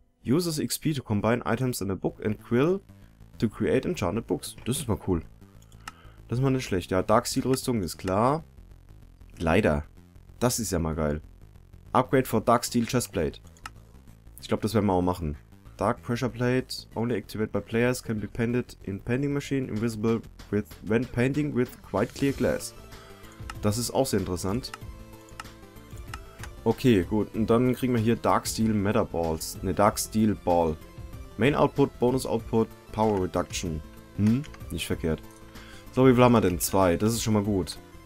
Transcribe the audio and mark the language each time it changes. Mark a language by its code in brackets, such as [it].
[en] Uses XP to combine items in a book and quill to create enchanted books. [de] Das ist mal cool. Das ist mal nicht schlecht. Ja, Dark Steel Rüstung ist klar. Leider. Das ist ja mal geil. [en] Upgrade for Dark Steel Chestplate. [de] Ich glaube, das werden wir auch machen. [en] Dark Pressure Plate. Only activated by players. Can be painted in painting machine. Invisible with, when painting with quite clear glass. [de] Das ist auch sehr interessant. Okay, gut. Und dann kriegen wir hier Dark Steel Matter Balls. Ne, Dark Steel Ball. [en] Main Output, Bonus Output, Power Reduction. [de] Nicht verkehrt. So, wie viel haben wir denn? 2. Das ist schon mal gut.